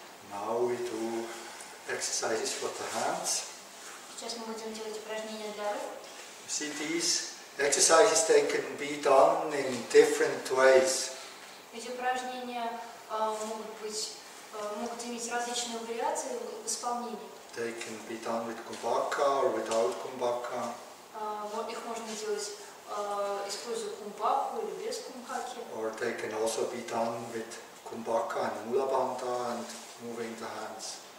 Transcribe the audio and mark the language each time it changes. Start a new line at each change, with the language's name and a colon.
English: Now we do exercises for the hands.
Russian: Сейчас мы будем делать упражнения для рук.
English: You see these exercises, they can be done in different ways.
Russian: Эти упражнения могут иметь различные вариации в исполнении.
English: They can be done with kumbhaka or without kumbhaka.
Russian: Их можно делать, используя кумбаку или без кумбаки.
English: Or they can also be done with kumbhaka and mula bandha and moving the hands.